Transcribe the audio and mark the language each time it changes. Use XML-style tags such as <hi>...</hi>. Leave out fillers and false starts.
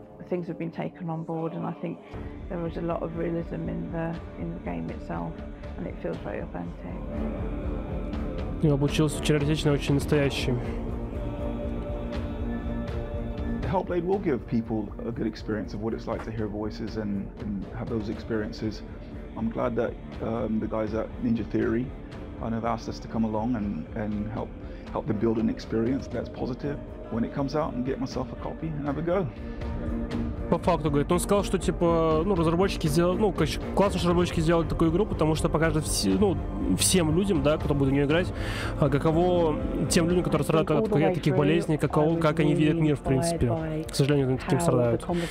<en>Things have been taken on board, and I think there was a lot of realism in the game itself, and it feels very authentic.</en> <ru>Я получился очень реалистичный, очень настоящий.</ru> <en>Hellblade will give people a good experience of what it's like to hear voices and have those experiences. I'm glad that the guys at Ninja Theory kind of asked us to come along and help them build an experience that's positive. When it comes out, and get myself a copy and have a go.</en> <ru>По факту говорит, он сказал, что типа, ну разработчики сделали, ну короче, классно, что разработчики сделали такую игру, потому что покажет всем людям, да, кто будет в нее играть, каково тем людям, которые страдают от таких болезней, каково, как они видят мир, в принципе. К сожалению, они таким страдают.</ru>